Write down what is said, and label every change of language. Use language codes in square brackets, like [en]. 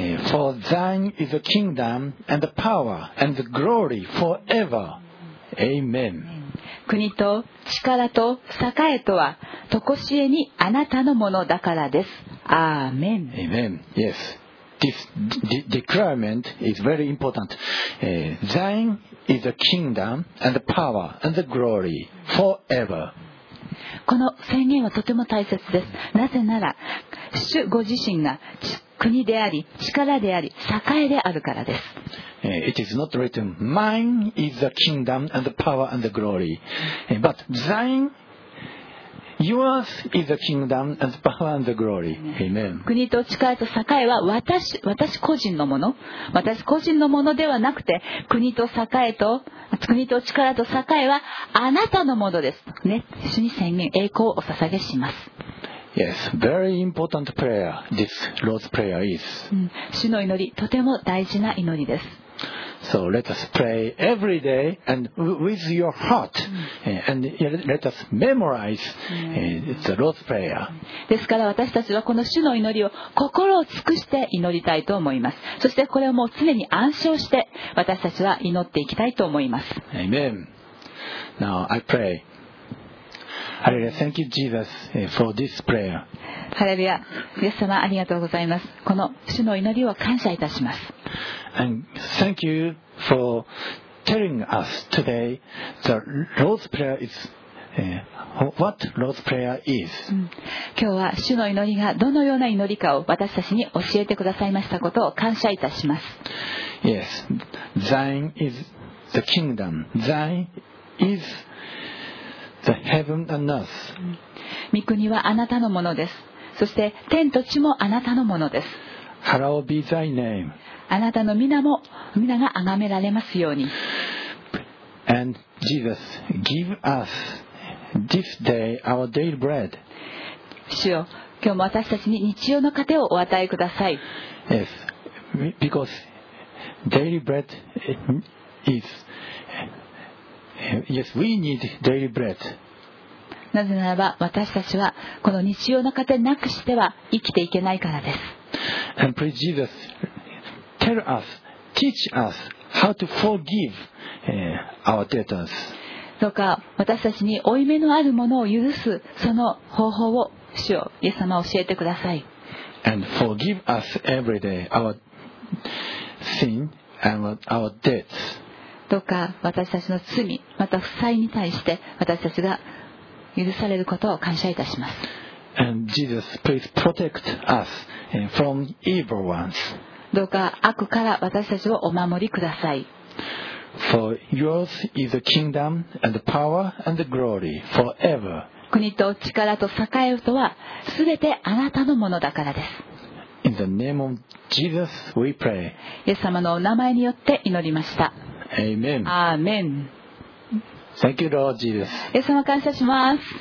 [en] For thine is the kingdom and the power and the glory forever. Amen. [ja] 国と力と栄えとは、とこしえにあなたのものだからです。アーメン。 [en] Amen. Yes. This declarement is very important. Thine is the kingdom and the power and the glory forever. [ja] この宣言はとても大切です。なぜなら、主ご自身が国であり、力であり、栄えであるからです。 [en] It is not written, mine is the kingdom and the power and the glory. But thine, yours is the kingdom and the power and the glory. Amen. [ja] 国と力と栄えは私個人のもの。私個人のものではなくて、国と力と栄えはあなたのものです。ね、主に宣言、栄光をお捧げします。 [en] Yes, very important prayer, this Lord's prayer is. [ja] 主の祈り、とても大事な祈りです。 [en] So let us pray every day and with your heart、mm-hmm. and let us memorize、mm-hmm. the Lord's Prayer. [ja] ですから私たちはこの主の祈りを心を尽くして祈りたいと思います。そしてこれをもう常に暗唱して私たちは祈っていきたいと思います。 [en] Amen. Now I pray. Hallelujah. Thank you, Jesus, for this prayer. [ja] Hallelujah. イエス様、ありがとうございます。この主の祈りを感謝いたします。 [en] And thank you for telling us today the Lord's Prayer is,what Lord's Prayer is. [ja] 今日は主の祈りがどのような祈りかを私たちに教えてくださいましたことを感謝いたします。 [en] Yes. Thine is the kingdom. Thine isThe heaven and earth. [ja] 御国はあなたのものです。そして天と地もあなたのものです。 [en] Hallowed be thy name. [ja] あなたの皆も皆が崇められますように。 [en] And Jesus, give us this day our daily bread. [ja] 主よ、今日も私たちに日曜の糧をお与えください。 [en] Yes, because daily bread is. Yes, we need daily bread. [ja] なぜならば私たちはこの日曜の糧なくしては生きていけないからです。 [en] And please, Jesus, tell us, teach us how to forgive, our debtors. [ja] どうか私たちに負い目のあるものを許すその方法を主よ、イエス様教えてください。 [en] And forgive us every day our sin and our debts. [ja] どうか私たちの罪また負債に対して私たちが許されることを感謝いたします。 [en] And Jesus, please protect us from evil ones. [ja] どうか悪から私たちをお守りください。 [en] For yours is the kingdom and the power and the glory forever. [ja] 国と力と栄えとはすべてあなたのものだからです。 [en] In the name of Jesus, we pray. [ja] イエス様のお名前によって祈りました。 [en] Amen. Amen. Thank you, Lord Jesus. [ja] イエス様、感謝します。